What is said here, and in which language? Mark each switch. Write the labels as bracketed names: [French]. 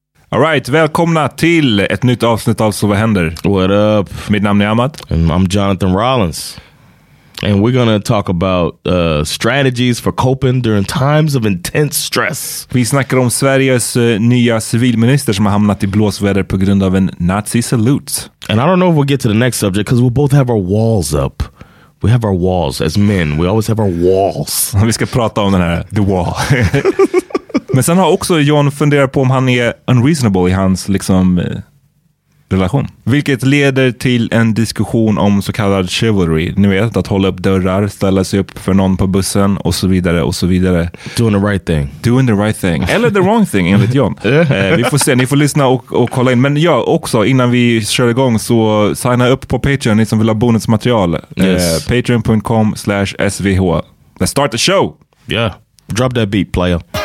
[English] All right, [Swedish] välkomna till ett nytt avsnitt av Så vad händer. [English] What up? [Swedish] Mitt namn är Ahmad. [English] And I'm Jonathan Rollins. And we're gonna talk about strategies for coping during times of intense stress. [Swedish] Vi snackar om Sveriges nya civilminister som har hamnat i blåsväder på grund av en Nazi salute. [English] And I don't know if we'll get to the next subject because we both have our walls up. We have our walls as men. We always have our walls. [Swedish] Vi ska prata om den här, [English] the wall. [Swedish] Men sen har också John funderat på om han är [English] unreasonable [Swedish] i hans liksom relation. Vilket leder till en diskussion om så kallad chivalry. Ni vet, att hålla upp dörrar, ställa sig upp för någon på bussen och så vidare och så vidare. [English] Doing the right thing. Doing the right thing. [Swedish] Eller [English] the wrong thing, [Swedish] enligt John. Vi får se, ni får lyssna och kolla in. Men ja, också, innan vi kör igång så signa upp på Patreon, ni som vill ha bonusmaterial. [English] Yes. Patreon.com/svh. Let's start the show! Yeah, drop that beat, player.